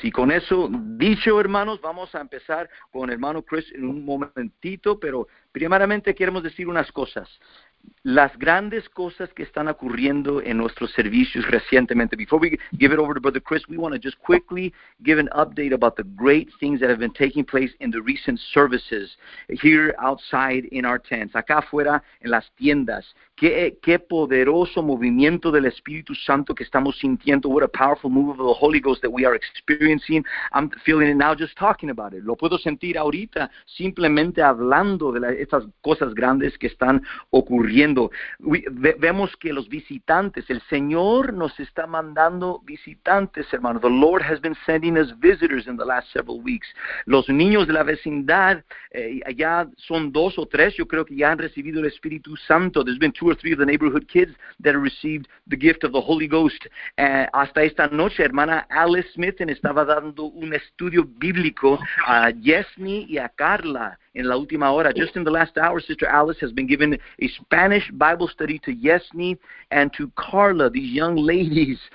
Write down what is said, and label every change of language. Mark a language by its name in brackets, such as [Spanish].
[Spanish] Y con eso dicho, hermanos, vamos a empezar con hermano Chris en un momentito, pero primeramente queremos decir unas cosas. Las grandes cosas que están ocurriendo en nuestros servicios recientemente. [English] Before we give it over to Brother Chris, we want to just quickly give an update about the great things that have been taking place in the recent services here outside in our tents, [Spanish] acá afuera en las tiendas. Qué poderoso movimiento del Espíritu Santo que estamos sintiendo. [English] What a powerful move of the Holy Ghost that we are experiencing. I'm feeling it now just talking about it. [Spanish] Lo puedo sentir ahorita simplemente hablando de estas cosas grandes que están ocurriendo. Vemos que los visitantes, el Señor nos está mandando visitantes, hermano. [English] The Lord has been sending us visitors in the last several weeks. [Spanish] Los niños de la vecindad, ya son dos o tres, yo creo que ya han recibido el Espíritu Santo. [English] There's been two or three of the neighborhood kids that received the gift of the Holy Ghost. [Spanish] Hasta esta noche, hermana Alice Smith estaba dando un estudio bíblico a Yesni y a Carla en la última hora. [English] Just in the last hour, Sister Alice has been giving a Spanish Bible study to Yesni and to Carla, these young ladies.